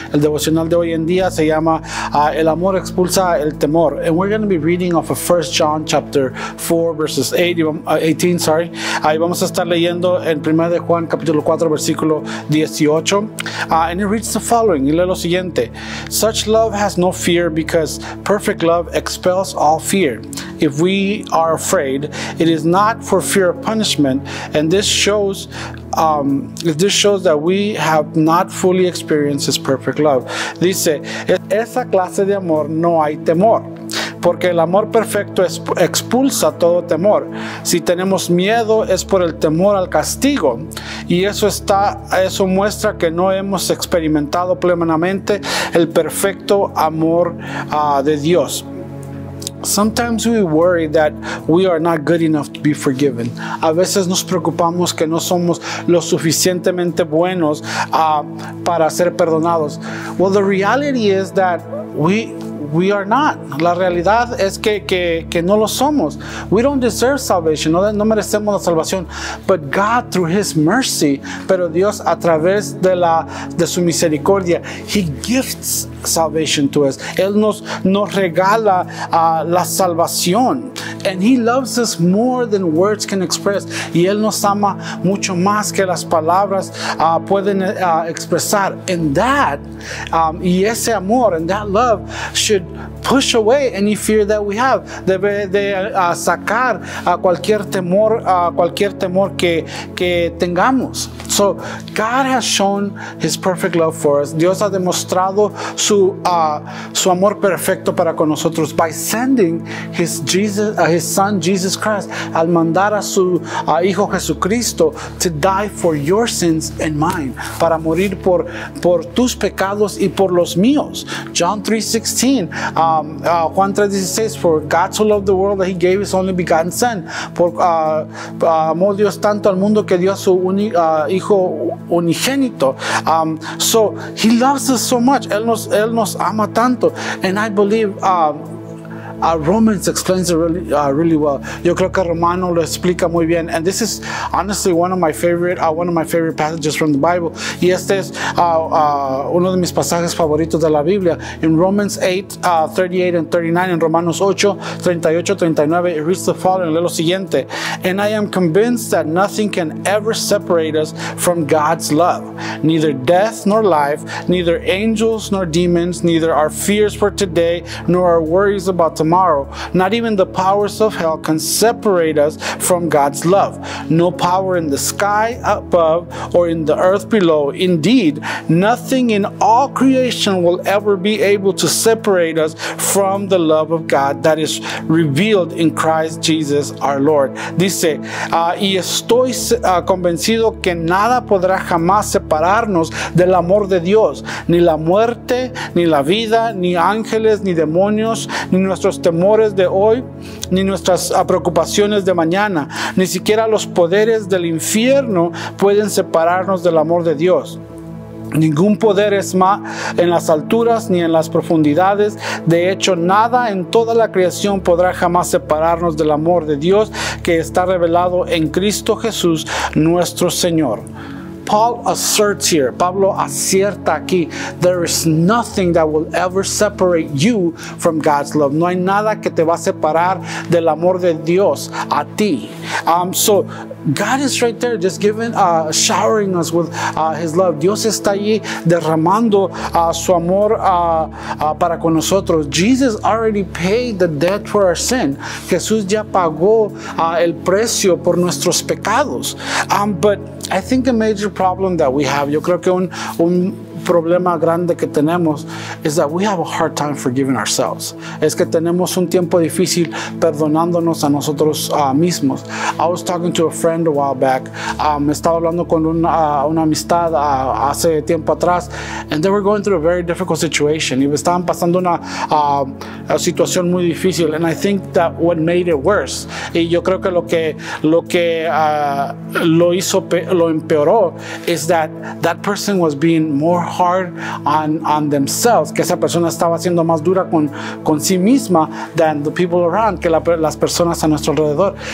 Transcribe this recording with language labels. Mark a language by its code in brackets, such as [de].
[es] El devocional de hoy en día se llama El Amor Expulsa el Temor. [en] And we're going to be reading off of 1 John chapter 4 verses 18. [es] Y vamos a estar leyendo en 1 de Juan capítulo 4 versículo 18. [en] And it reads the following. [es] Lo siguiente. [en] Such love has no fear because perfect love expels all fear. If we are afraid, it is not for fear of punishment, and this shows that we have not fully experienced his perfect love. [es] Dice, esa clase de amor no hay temor, porque el amor perfecto expulsa todo temor. Si tenemos miedo, es por el temor al castigo. Y eso muestra que no hemos experimentado plenamente el perfecto amor de Dios. [en] Sometimes we worry that we are not good enough to be forgiven. [es] A veces nos preocupamos que no somos lo suficientemente buenos para ser perdonados. [en] Well, the reality is that we are not. [es] La realidad es que no lo somos. [en] We don't deserve salvation. [es] No merecemos la salvación. [en] But God, through His mercy, [es] pero Dios a través de su misericordia, [en] He gifts salvation to us. [es] Él nos regala la salvación. [en] And He loves us more than words can express. [es] Y Él nos ama mucho más que las palabras pueden expresar. [en] And that, [es] y ese amor, [en] and that love should push away any fear that we have. [es] Debe de sacar a cualquier temor que tengamos. [en] So God has shown His perfect love for us. [es] Dios ha demostrado su amor perfecto para con nosotros [en] by sending His Son Jesus Christ, [es] al mandar a su Hijo Jesucristo [en] to die for your sins and mine, [es] para morir por tus pecados y por los míos. [en] John 3:16, Juan 3:16, for God so loved the world that He gave His only begotten Son. [es] Por amó Dios tanto al mundo que dio a su Hijo unigénito. [en] So He loves us so much. [es] Él nos ama tanto. [en] And I believe Romans explains it really, really well. [es] Yo creo que Romano lo explica muy bien. [en] And this is honestly one of my favorite passages from the Bible. [es] Y este es uno de mis pasajes favoritos de la Biblia. [en] In Romans 8, 38 and 39, [es] en Romanos 8, 38, 39, [en] it reads the following. [es] Lee lo siguiente. [en] And I am convinced that nothing can ever separate us from God's love. Neither death nor life, neither angels nor demons, neither our fears for today, nor our worries about tomorrow, not even the powers of hell can separate us from God's love. No power in the sky above or in the earth below. Indeed, nothing in all creation will ever be able to separate us from the love of God that is revealed in Christ Jesus our Lord. [es] Dice, y estoy convencido que nada podrá jamás separarnos del amor de Dios, ni la muerte, ni la vida, ni ángeles, ni demonios, ni nuestros temores de hoy, ni nuestras preocupaciones de mañana, ni siquiera los poderes del infierno pueden separarnos del amor de Dios. Ningún poder es más en las alturas ni en las profundidades. De hecho, nada en toda la creación podrá jamás separarnos del amor de Dios que está revelado en Cristo Jesús, nuestro Señor. Pablo acierta aquí. [en] There is nothing that will ever separate you from God's love. [es] No hay nada que te va a separar del amor de Dios a ti. [en] So God is right there just giving, showering us with His love. [es] Dios está allí derramando su amor para con nosotros. [en] Jesus already paid the debt for our sin. [es] Jesús ya pagó el precio por nuestros pecados. [en] But I think a major problem that we have, [es] yo creo que un problema grande que tenemos [en] is that we have a hard time forgiving ourselves. [es] Es que tenemos un tiempo difícil perdonándonos a nosotros mismos. [en] I was talking to a friend a while back. [es] Estaba hablando con una amistad hace tiempo atrás, [en] and they were going through a very difficult situation. [es] Y estaban pasando una situación muy difícil, [en] and I think that what made it worse, [es] y yo creo que lo empeoró, [en] is that person was being more hard on themselves, [es] que esa persona estaba siendo más dura con sí misma [en] than the people around, [es] que las personas a nuestro alrededor.